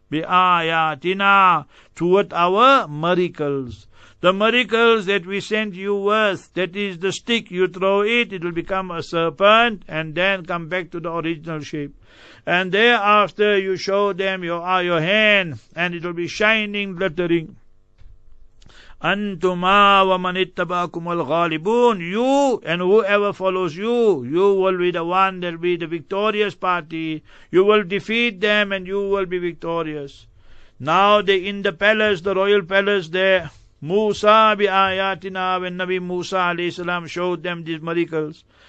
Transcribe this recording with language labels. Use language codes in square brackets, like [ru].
[ar] بِآيَاتِنَا, [en] toward our miracles. The miracles that we sent you with, that is the stick, you throw it, it will become a serpent and then come back to the original shape. And thereafter you show them your hand and it will be shining, glittering. [ar] أنتما ومن اتبعكم الغالبون. [en] You and whoever follows you, you will be the one that will be the victorious party. You will defeat them and you will be victorious. Now they in the palace, the royal palace there. Musa bi ayatina, when Nabi Musa alayhi salam showed them these miracles.